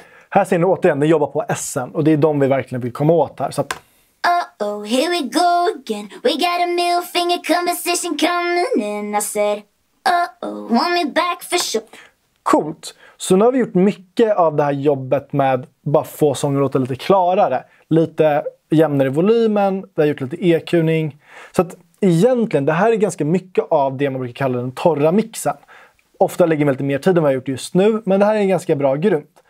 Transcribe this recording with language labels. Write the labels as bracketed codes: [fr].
[sv] Här ser ni återigen, ni jobbar på S:en och det är de vi verkligen vill komma åt här. Så att... [en] Uh-oh, here we go again. We got a middle finger conversation coming in. I said, uh-oh, want me back for sure. [sv] Coolt. Så nu har vi gjort mycket av det här jobbet med bara få sånger låta lite klarare. Lite jämnare volymen. Vi har gjort lite EQ-ning. Så att egentligen, det här är ganska mycket av det man brukar kalla den torra mixen. Ofta lägger vi lite mer tid än vad jag har gjort just nu. Men det här är en ganska bra grund.